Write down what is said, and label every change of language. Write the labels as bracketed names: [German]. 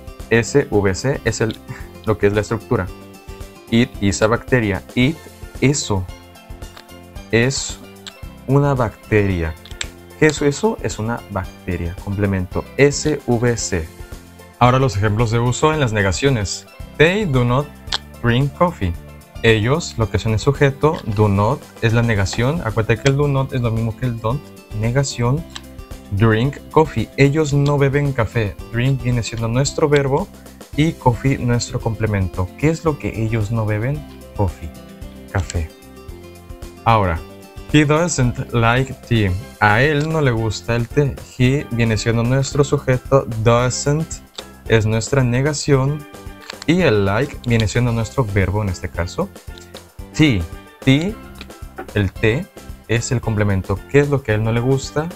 [Spanish] SVC es el, lo que es la estructura. [English] It is a bacteria. [Spanish] It, eso, es una bacteria. ¿Qué es eso? Es una bacteria. Complemento. SVC. Ahora los ejemplos de uso en las negaciones. [English] They do not drink coffee. [Spanish] Ellos, lo que son el sujeto, do not, es la negación. Acuérdate que el do not es lo mismo que el don't. Negación. [English] Drink coffee. [Spanish] Ellos no beben café. Drink viene siendo nuestro verbo y coffee nuestro complemento. ¿Qué es lo que ellos no beben? Coffee. Café. [English] Ahora, he doesn't like tea. [Spanish] A él no le gusta el té. He viene siendo nuestro sujeto. Doesn't es nuestra negación. Y el like viene siendo nuestro verbo en este caso. Tea. Tea, el té, es el complemento. ¿Qué es lo que a él no le gusta?